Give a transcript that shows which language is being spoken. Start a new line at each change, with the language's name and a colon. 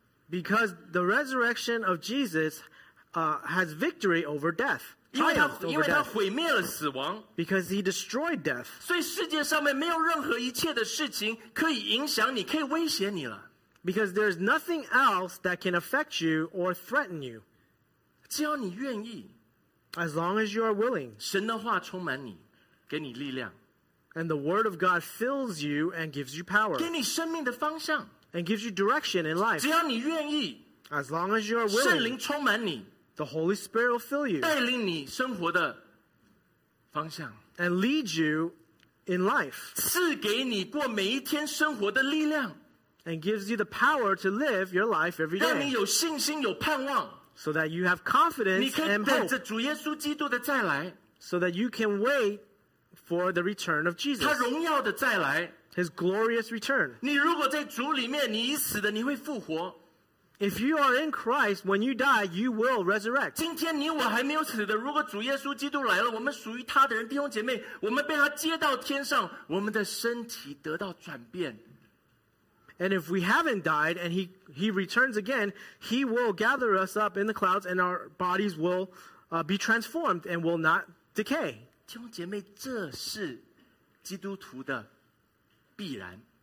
English: because the resurrection of Jesus has victory over death,
Chinese: 因为他毁灭了死亡,
English: because he destroyed death.
Chinese: 所以世界上面没有任何一切的事情可以影响你，可以威胁你了,
English: because there is nothing else that can affect you or threaten you.
Chinese: 只要你愿意,
English: as long as you are willing,
Chinese: 神的话充满你, 给你力量,
English: and the word of God fills you and gives you power,
Chinese: 给你生命的方向,
English: and gives you direction in life.
Chinese: 只要你愿意,
English: as long as you are willing,
Chinese: 圣灵充满你,
English: the Holy Spirit will fill you,
Chinese: 带领你生活的方向,
English: and lead you in life,
Chinese: 赐给你过每一天生活的力量,
English: and gives you the power to live your life every day,
Chinese: 让你有信心, 有盼望,
English: so that you have confidence and hope, so that you can wait for the return of Jesus,
Chinese: 祂荣耀的再来,
English: His glorious return.
Chinese: 你如果在主里面, 你已死的, 你会复活,
English: If you are in Christ, when you die, you will resurrect.
Chinese: 今天你我还没有死的, 如果主耶稣基督来了, 我们属于他的人, 弟兄姐妹, 我们被他接到天上, 我们的身体得到转变。
English: And if we haven't died and he returns again, he will gather us up in the clouds and our bodies will be transformed and will not decay.
Chinese: 弟兄姐妹, 这是基督徒的必然。